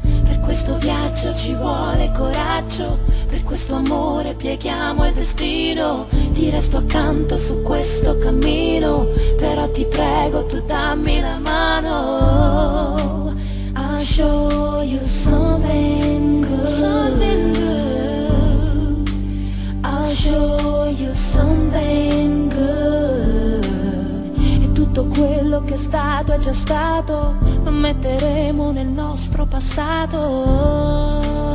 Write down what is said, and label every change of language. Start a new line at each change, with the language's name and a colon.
Italian: Per questo viaggio ci vuole coraggio, per questo amore pieghiamo il destino. Ti resto accanto su questo cammino, però ti prego tu dammi la mano.
English: Oh, I'll show you something good, something good. I'll show you something good.
Italian: E tutto quello che è stato è già stato, metteremo nel nostro passato.